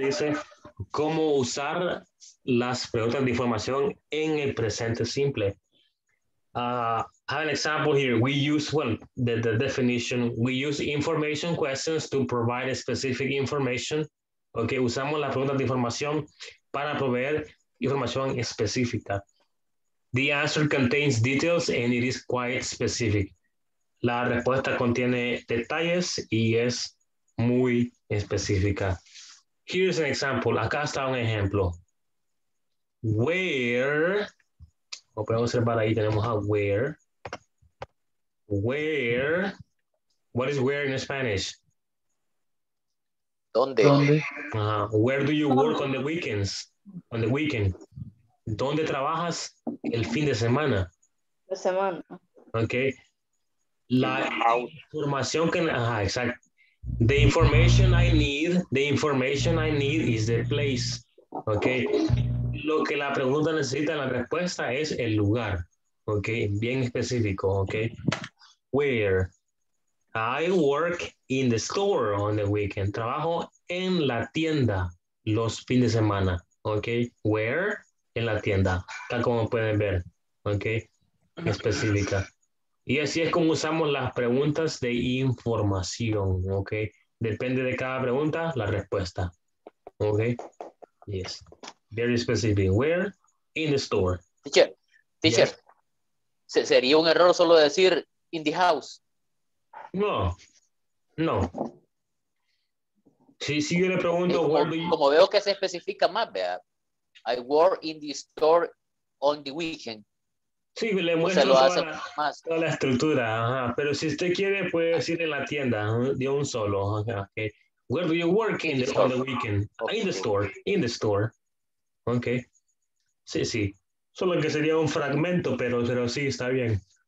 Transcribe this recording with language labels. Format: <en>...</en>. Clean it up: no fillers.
<es>Dice, ¿cómo usar las preguntas de información en el presente simple?</es> <en>I have an example here. We use, well, the definition. We use information questions to provide specific information.</en> <es>Okay, usamos las preguntas de información para proveer información específica.</es> <en>The answer contains details and it is quite specific.</en> <es>La respuesta contiene detalles y es muy específica.</es> <en>Here's an example.</en> <es>Acá está un ejemplo. Where, o podemos observar ahí, tenemos a where.</es> <en>Where, what is where in Spanish?</en> <es>¿Dónde?</es> <en>Where do you work on the weekends? On the weekend.</en> <es>¿Dónde trabajas el fin de semana? La semana. Ok. La información que... Ajá, exacto.</es> <en>The information I need is the place. Ok.</en> <es>Lo que la pregunta necesita, la respuesta es el lugar. Ok. Bien específico. Ok. Where?</es> <en>I work in the store on the weekend.</en> <es>Trabajo en la tienda los fines de semana. Ok. Where? En la tienda, tal como pueden ver, ok, específica. Y así es como usamos las preguntas de información, ok. Depende de cada pregunta, la respuesta, ok.</es> <en>Yes, very specific. Where? In the store. Teacher, teacher, yes.</en> <es>¿Sería un error solo decir</es> <en>in the house?</en> <es>No, no. Si yo le pregunto, como veo que se especifica más, vea.</es> <en>I work in the store on the weekend.</en> <es>Sí, le muestro o sea, toda la estructura. Ajá. Pero si usted quiere, puede decir en la tienda, de un solo.</es> <en>Okay. Where do you work on the weekend? Okay. In the store. Ok. Sí, sí.</en> <es>Solo que sería un fragmento, pero sí, está bien.</es>